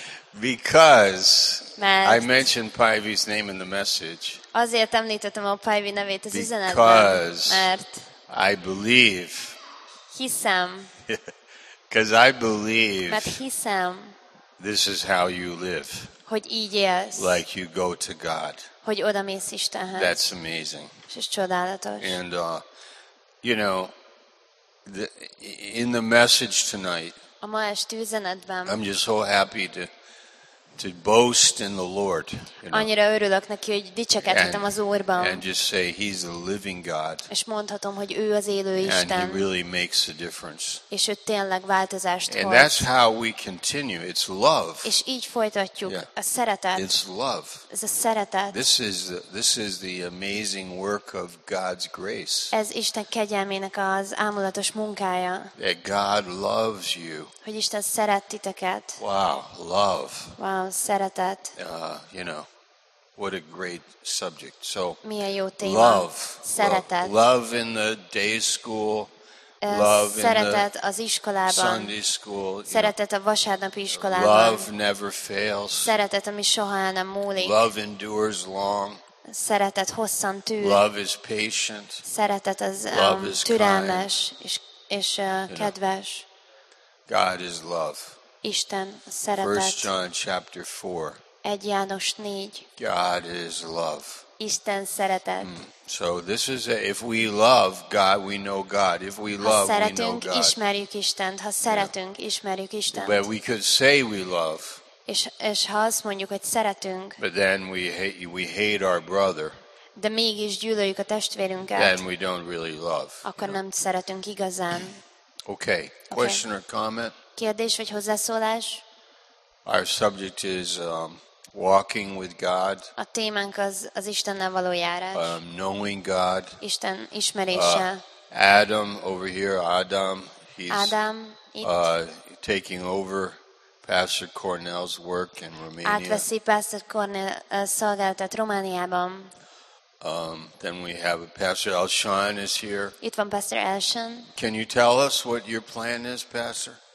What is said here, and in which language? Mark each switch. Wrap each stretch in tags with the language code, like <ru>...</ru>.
<en>Because I mentioned Päivi's name in the message.</en> <hu>Azért említettem a Päivi nevét az üzenetben.</hu> <en>Because</en> <hu>mert</hu> <en>I believe.</en> <hu>Hiszem.</hu> <en>Because I believe.</en> <hu>Mert hiszem.</hu> <en>This is how you live.</en> <hu>Hogy így élsz.</hu> <en>Like you go to God.</en> <hu>Hogy oda mész Istenhez.</hu> <en>That's amazing.</en> <hu>És csodálatos.</hu> <en>And you know, in the message tonight.</en> <hu>A ma esti üzenetben.</hu> <en>I'm just so happy to boast in the Lord. You know?</en> <hu>Annyira örülök neki, hogy dicsekedhetem az Úrban.</hu> <en>And just say he's a living God.</en> <hu>És mondhatom, hogy ő az élő Isten.</hu> <en>And he really makes a difference.</en> <hu>És ő tényleg változást hoz.</hu> <en>And that's how we continue. It's love.</en> <hu>És így folytatjuk a szeretet.</hu> <en>It's love.</en> <hu>Ez a szeretet.</hu> <en>This is the amazing work of God's grace.</en> <hu>Ez Isten kegyelmének az ámulatos munkája.</hu> <en>That God loves you.</en> <hu>Hogy Isten szeret titeket.</hu> <en>Wow, love.</en> <hu>Wow, szeretet.</hu> <en>You know, what a great subject. So,</en> <hu>milyen jó téma.</hu> <en>Love.</en> <hu>Szeretet.</hu> <en>Love in the day school. Love</en> <hu>szeretet</hu> <en>in the</en> <hu>az iskolában.</hu> <en>Sunday school.</en> <hu>Szeretet a vasárnapi iskolában.</hu> <en>Love never fails.</en> <hu>Szeretet, ami soha el nem múlik.</hu> <en>Love endures long.</en> <hu>Szeretet hosszan tűr.</hu> <en>Love is patient.</en> <hu>Szeretet az türelmes és kedves.</hu> <en>Know. God is love.</en> <hu>Isten szeretet.</hu> <en>1 John chapter 4.</en> <hu>1 János 4.</hu> <en>God is love.</en> <hu>Isten szeretet. Mm.</hu> <en>So this is if we love God, we know God. If we love, we know God.</en> <hu>Ha szeretünk, ismerjük Istent. Ha szeretünk, ismerjük Istent.</hu> <en>But we could say we love.</en> <hu>És ha azt mondjuk, hogy szeretünk.</hu> <en>But then we hate our brother.</en> <hu>De mégis gyűlöljük a testvérünket.</hu> <en>Then we don't really love.</en> <hu>Akkor nem szeretünk igazán.</hu> <en>Okay. Question or comment?</en> <hu>Kérdés vagy hozzászólás?</hu> <en>Our subject is walking with God.</en> <hu>A témánk az Istennel való járás.</hu> <en>Knowing God.</en> <hu>Isten ismerése.</hu> <en>Adam over here, Adam. He's</en> <hu>Adam itt.</hu> <en>Taking over Pastor Cornell's work in Romania.</en> <hu>Átveszi Pastor Cornell szolgálatát Romániában.</hu> <en>Then we have Pastor Elshon is here.</en> <hu>Itt van Pastor Elshon.</hu> <en>Can you tell us what your plan is, Pastor?</en>